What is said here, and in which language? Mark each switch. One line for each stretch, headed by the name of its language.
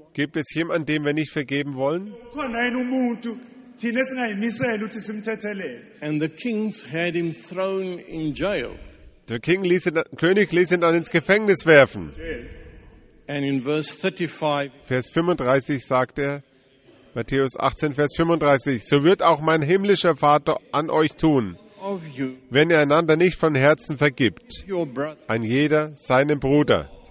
German: gibt es jemanden, dem wir nicht vergeben wollen?
English: And the king had him thrown in jail.
German: Der King ließ ihn, König ließ ihn dann ins Gefängnis werfen.
English: And in verse 35,
German: Vers 35 sagt er, Matthäus 18, Vers 35, so wird auch mein himmlischer Vater an euch tun, wenn ihr einander nicht von Herzen vergibt, ein jeder seinem Bruder.